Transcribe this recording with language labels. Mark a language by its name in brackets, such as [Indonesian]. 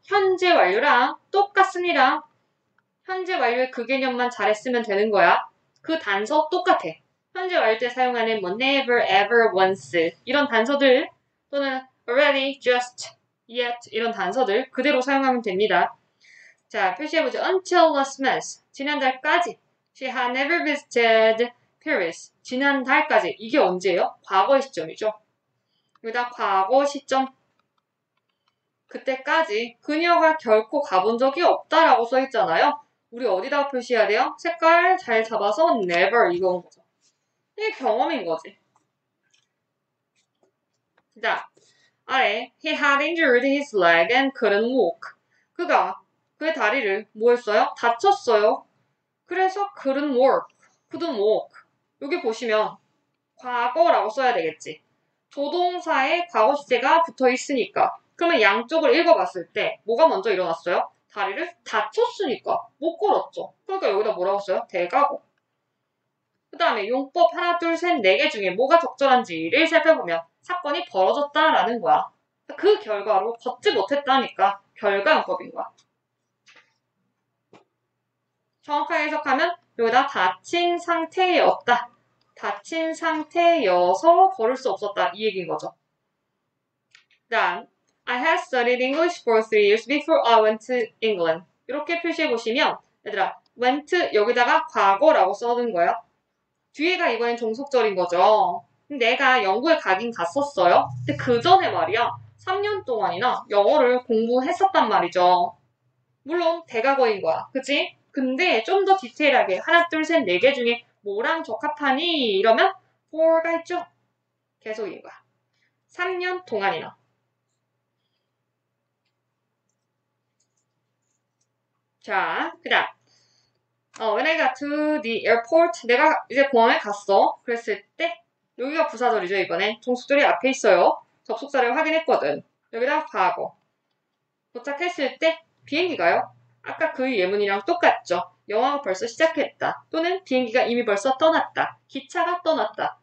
[Korean] 현재 완료랑 똑같습니다. 현재 완료의 그 개념만 잘했으면 되는 거야. 그 단서 똑같아. 현재 완료 때 사용하는 뭐 never, ever, once 이런 단서들 또는 already, just, yet 이런 단서들 그대로 사용하면 됩니다. 자, 표시해보죠. [English] Until last month, [Korean] 지난달까지 [English] she had never visited Paris, 지난달까지. [Korean] 이게 언제예요? 과거의 시점이죠. 여기다 과거 시점. 그때까지 그녀가 결코 가본 적이 없다라고 써있잖아요. 우리 어디다 표시해야 돼요? 색깔 잘 잡아서 never 이거인 거죠. 이게 경험인 거지. 자, 아래. [English] He had injured his leg and couldn't walk. [Korean] 그가 그의 다리를 뭐 했어요? 다쳤어요. 그래서 [English] couldn't walk. couldn't walk. [Korean] 여기 보시면 과거라고 써야 되겠지. 조동사에 과거 시제가 붙어 있으니까. 그러면 양쪽을 읽어봤을 때 뭐가 먼저 일어났어요? 다리를 다쳤으니까 못 걸었죠. 그러니까 여기다 뭐라고 써요? 대과거. 그다음에 용법 하나, 둘, 셋, 네개 중에 뭐가 적절한지를 살펴보면 사건이 벌어졌다라는 거야. 그 결과로 걷지 못했다니까 결과 용법인 거야. 정확하게 해석하면 여기다 다친 상태였다. 다친 상태여서 걸을 수 없었다. 이 얘기인 거죠. [English] 그다음, I had studied English for 3 years before I went to England. [Korean] 이렇게 표시해 보시면, 얘들아, went 여기다가 과거라고 써둔 거야. 뒤에가 이번엔 종속절인 거죠. 내가 영국에 가긴 갔었어요. 근데 그 전에 말이야, 3년 동안이나 영어를 공부했었단 말이죠. 물론 대과거인 거야. 그치? 근데 좀더 디테일하게 하나, 둘, 셋, 네개 중에 뭐랑 적합하니? 이러면 for가 있죠. 계속인 거야. 3년 동안이나. 자, 그다음. [English] When I got to the airport, [Korean] 내가 이제 공항에 갔어. 그랬을 때, 여기가 부사절이죠, 이번에. 종속절이 앞에 있어요. 접속사를 확인했거든. 여기다 과거. 도착했을 때, 비행기가요? 아까 그 예문이랑 똑같죠. 영화가 벌써 시작했다. 또는 비행기가 이미 벌써 떠났다. 기차가 떠났다.